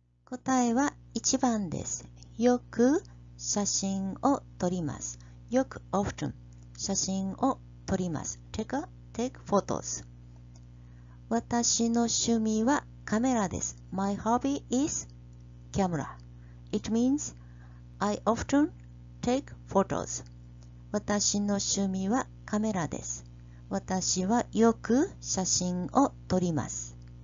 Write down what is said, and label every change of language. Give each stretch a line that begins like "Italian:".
Japanese: 答えは1番です。よく写真を撮ります。よく often 写真を撮ります。
English: Take photos。
Japanese: 私の趣味はカメラです。
English: My hobby is camera. It means I often take photos.
Japanese: 私の趣味はカメラです。私はよく写真を撮ります。